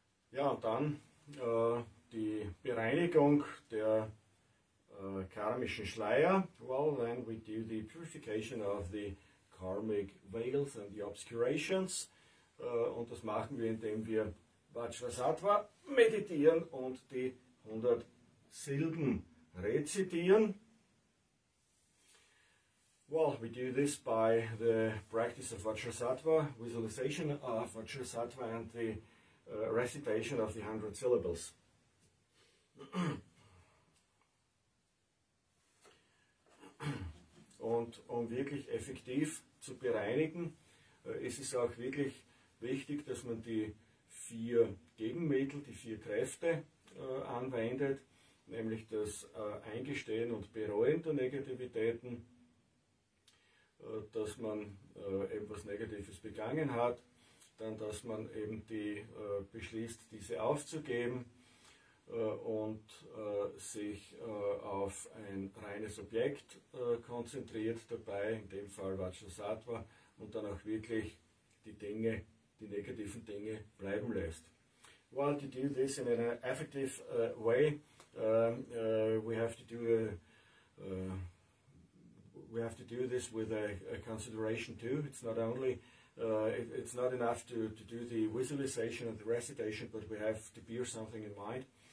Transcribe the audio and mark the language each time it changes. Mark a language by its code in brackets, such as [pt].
[de] Ja, und dann die Bereinigung der karmischen Schleier. [en] Well, then we do the purification of the karmic veils and the obscurations. [de] Und das machen wir, indem wir Vajrasattva meditieren und die 100 Silben rezitieren. [en] Well, we do this by the practice of Vajrasattva, visualization of Vajrasattva and the recitation of the 100 syllables. [de] Und um wirklich effektiv zu bereinigen, ist es auch wirklich wichtig, dass man die vier Gegenmittel, die vier Kräfte anwendet, nämlich das Eingestehen und Bereuen der Negativitäten, dass man etwas Negatives begangen hat, dann dass man eben die beschließt, diese aufzugeben und sich auf ein reines Objekt konzentriert dabei, in dem Fall Vajrasattva, und dann auch wirklich die Dinge, die negativen Dinge bleiben lässt. [en] Well, to do this in an effective way, we have to do this with a consideration too. It's not only it's not enough to do the visualization and the recitation, but we have to bear something in mind.